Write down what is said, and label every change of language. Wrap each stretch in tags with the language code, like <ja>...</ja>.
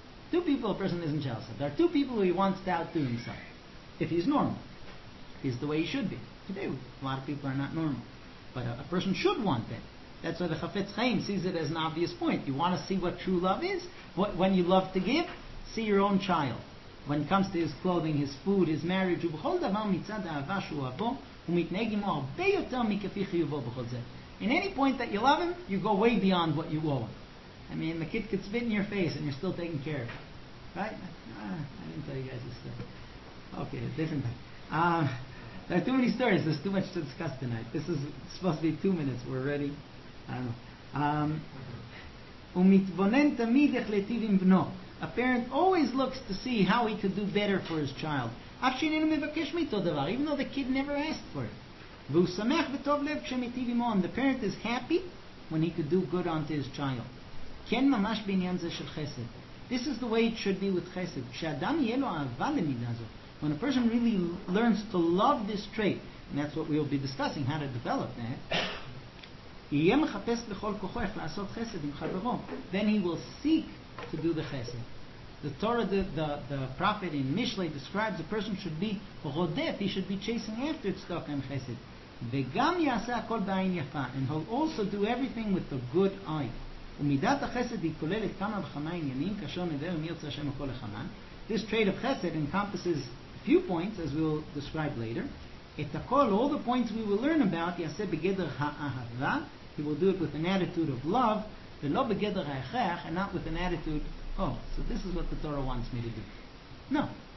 <en>Two people a person isn't jealous of. There are two people who he wants to outdo himself. If he's normal. He's the way he should be. Today, a lot of people are not normal. But a person should want that. That's why the Chafetz Chaim sees it as an obvious point. You want to see what true love is? When you love to give, see your own child. when it comes to his clothing, his food, his marriage,</en> <he>ובכל דבר מצד האהבה שהוא אבו, הוא מתנהג עמו הרבה יותר מכפי חיובו בכל זה.</he> <en>In any point that you love him, you go way beyond what you owe him. I mean, the kid could spit in your face and you're still taking care of him. Right? I didn't tell you guys this story. Okay, different thing. There are too many stories. There's too much to discuss tonight. This is supposed to be 2 minutes. We're ready. I don't know.</en> <he>ומתבונן תמיד איך להיטיב עם בנו.</he> <en>A parent always looks to see how he could do better for his child.</en> <he>אף שאיננו מבקש מאיתו דבר,</he> <en>even though the kid never asked for it.</en> <he>והוא שמח וטוב לב כשמיטיב עמו.</he> <en>The parent is happy when he could do good unto his child.</en> <he>כן ממש בעניין זה של חסד.</he> <en>This is the way it should be with chesed.</en> <he>כשאדם יהיה לו אהבה למידה זו.</he> <en>When a person really learns to love this trait, and that's what we'll be discussing, how to develop that,</en> <he>יהיה מחפש בכל כוחו איך לעשות חסד עם חברו.</he> <en>Then he will seek to do the chesed. The Torah, the prophet in Mishlei describes a person should be rodef, he should be chasing after tzedakah and chesed.</en> <he>וגם יעשה הכל בעין יפה,</he> <en>and he'll also do everything with the good eye.</en> <he>ומידת החסד היא כוללת כמה וכמה עניינים, כאשר נדבר מי ירצה השם הכל לחמה.</he> <en>This trait of chesed encompasses a few points, as we'll describe later.</en> <he>את הכל,</he> <en>all the points we will learn about,</en> <he>יעשה בגדר האהבה,</he> <en>he will do it with an attitude of love,</en> <he>ולא בגדר ההכרח,</he> <en>and not with an attitude, oh, so this is what the Torah wants me to do. No.</en>